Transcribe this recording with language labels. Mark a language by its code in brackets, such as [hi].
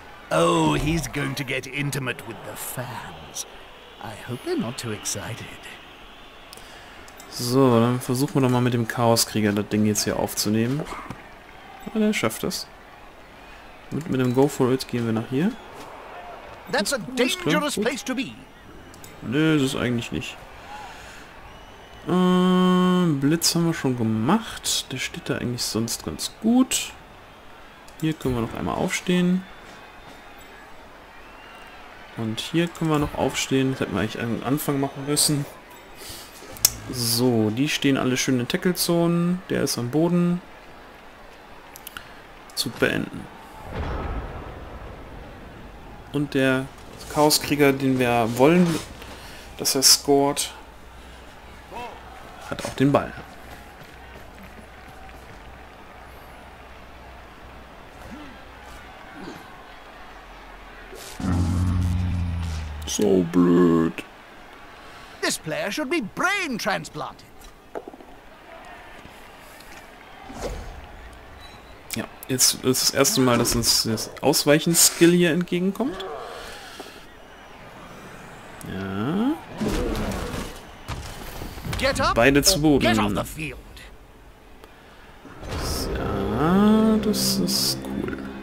[en] Oh, he's going to get intimate with the fans. I hope they're not too excited. [de] So, dann versuchen wir doch mal mit dem Chaoskrieger das Ding jetzt hier aufzunehmen. Ja, der schafft das. Und mit dem Go for it gehen wir nach hier. [en] That's a dangerous place to be. [de] Nö, das ist eigentlich nicht. Blitz haben wir schon gemacht. Der steht da eigentlich sonst ganz gut. Hier können wir noch einmal aufstehen. Und hier können wir noch aufstehen. Das hätten wir eigentlich einen Anfang machen müssen. So, die stehen alle schön in Tackle-Zonen. Der ist am Boden. Zug beenden. Und der Chaoskrieger, den wir wollen, dass er scored, hat auch den Ball. So blöd. [en] This player should be brain transplanted. [de] Ja, jetzt ist das erste Mal, dass uns das Ausweichen-Skill hier entgegenkommt. Ja. Beide zu Boden. Ja, das ist cool.